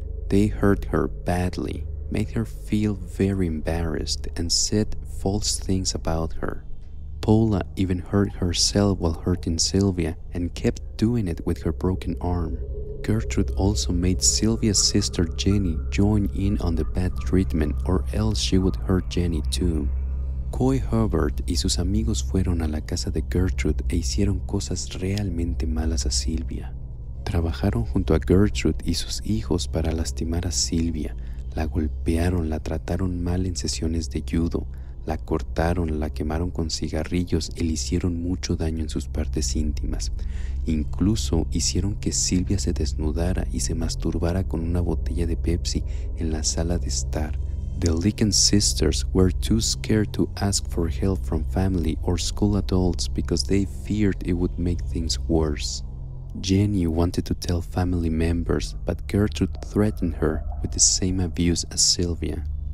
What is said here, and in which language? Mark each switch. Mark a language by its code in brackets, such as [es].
[en] They hurt her badly, made her feel very embarrassed, and said false things about her. Paula even hurt herself while hurting Sylvia and kept doing it with her broken arm. Gertrude also made Sylvia's sister Jenny join in on the bad treatment or else she would hurt Jenny too. [es] Coy Hubbard y sus amigos fueron a la casa de Gertrude e hicieron cosas realmente malas a Sylvia. Trabajaron junto a Gertrude y sus hijos para lastimar a Sylvia, la golpearon, la trataron mal en sesiones de judo, la cortaron, la quemaron con cigarrillos y le hicieron mucho daño en sus partes íntimas. Incluso hicieron que Sylvia se desnudara y se masturbara con una botella de Pepsi en la sala de estar. [en] The Likens sisters were too scared to ask for help from family or school adults because they feared it would make things worse. Jenny wanted to tell family members, but Gertrude threatened her with the same abuse as Sylvia.